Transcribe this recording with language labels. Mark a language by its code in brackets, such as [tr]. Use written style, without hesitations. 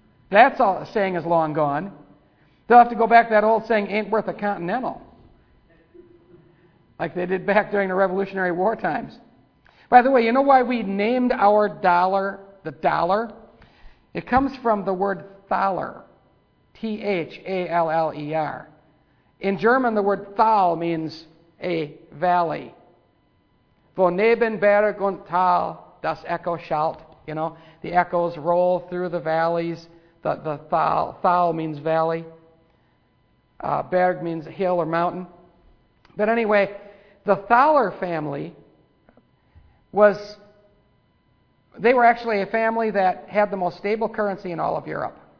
[en] That's all, the saying is long gone. They'll have to go back to that old saying, ain't worth a continental, like they did back during the Revolutionary War times. By the way, you know why we named our dollar the dollar? It comes from the word thaler, T-H-A-L-L-E-R. In German, the word thal means a valley. [de] Wo neben Berg und Tal das Echo schallt. [en] You know, the echoes roll through the valleys. The thal means valley. Berg means hill or mountain. But anyway, the Thaler family they were actually a family that had the most stable currency in all of Europe.